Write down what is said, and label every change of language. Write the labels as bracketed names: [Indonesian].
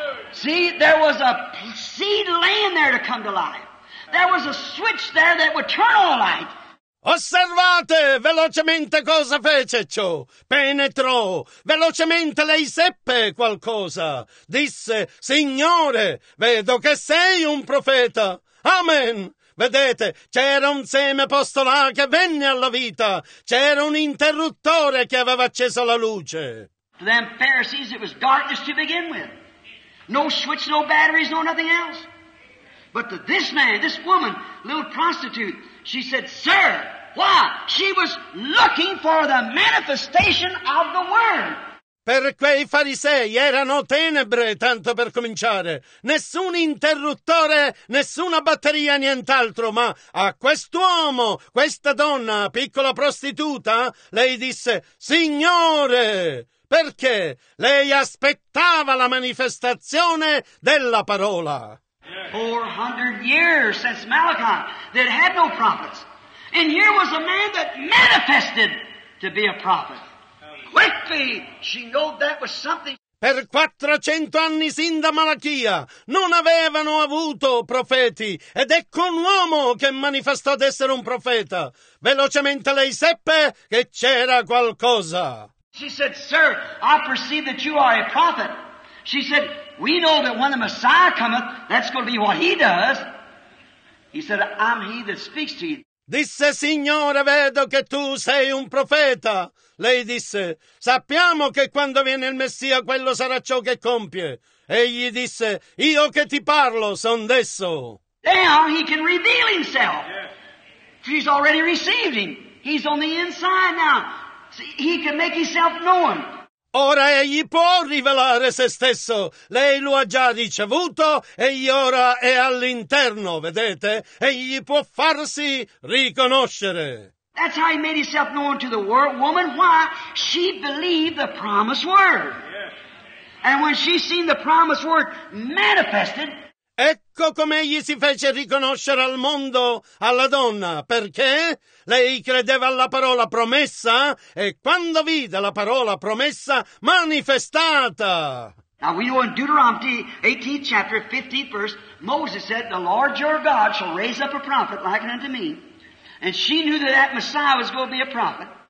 [English] See, there was a seed laying there to come to life. There was a switch there that would turn on the light. [Italian] Osservate velocemente cosa fece ciò. Penetrò. Velocemente lei seppe qualcosa. Disse, Signore, vedo che sei un profeta. Amen. Vedete, c'era un seme posto là che venne alla vita. C'era un interruttore che aveva acceso la luce. [English] To them Pharisees it was darkness to begin with. No switch, no batteries, no nothing else. But to this man, this woman, little prostitute, she said, sir, why? She was looking for the manifestation of the word. [Italian] Per quei farisei erano tenebre, tanto per cominciare. Nessun interruttore, nessuna batteria, nient'altro. Ma a quest'uomo, questa donna, piccola prostituta, lei disse, Signore, perché lei aspettava la manifestazione della parola. [English] 400 years since Malachi that had no prophets. And here was a man that manifested to be a prophet. Quickly, she knew that was something. [Italian] Per 400 anni sin da Malachia non avevano avuto profeti. Ed ecco un uomo che manifestò ad essere un profeta. Velocemente lei seppe che c'era qualcosa. [English] She said, sir, I perceive that you are a prophet. She said, we know that when the Messiah cometh, that's going to be what he does. He said, I'm he that speaks to you. [Italian] Disse, Signore, vedo che tu sei un profeta. Lei disse, sappiamo che quando viene il Messia, quello sarà ciò che compie. Egli disse, io che ti parlo, son d'esso. [English] Now he can reveal himself. She's already received him. He's on the inside now. See, he can make himself known. [Italian] Ora egli può rivelare se stesso. Lei lo ha già ricevuto e ora è all'interno, vedete? Egli può farsi riconoscere. [English] That's how he made himself known to the world. Woman, why? She believed the promised word. And when she seen the promised word manifested, [Italian] ecco Ecco come egli si fece riconoscere al mondo, alla donna, perché lei credeva alla parola promessa e quando vide la parola promessa manifestata. [English] Now we know in Deuteronomy 18, chapter 15, verse, Moses said, the Lord your God shall raise up a prophet like unto me. And she knew that that Messiah was going to be a prophet.